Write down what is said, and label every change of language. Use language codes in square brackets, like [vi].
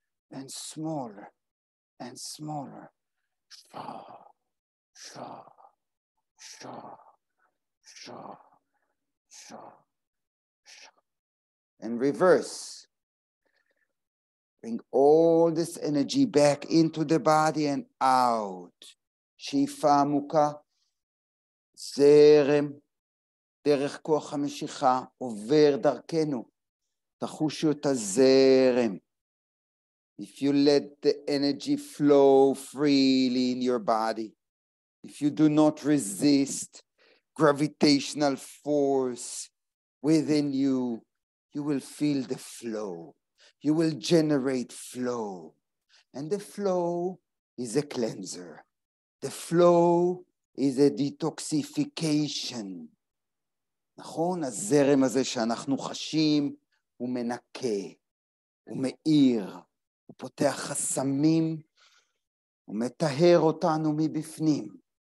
[en] And smaller. And smaller. Sha. Sha. Sha. Sha. Sha. And reverse. Bring all this energy back into the body and out. [he] שאיפה עמוקה, זרם, דרך כוח המשיכה עובר דרכנו. תחושו את הזרם. [en] If you let the energy flow freely in your body, if you do not resist gravitational force within you, you will feel the flow. You will generate flow. And the flow is a cleanser. The flow is a detoxification. [he] נכון? הזרם הזה שאנחנו חשים, הוא מנקה, הוא מאיר, הוא פותח חסמים, הוא מתהר אותנו מבפנים.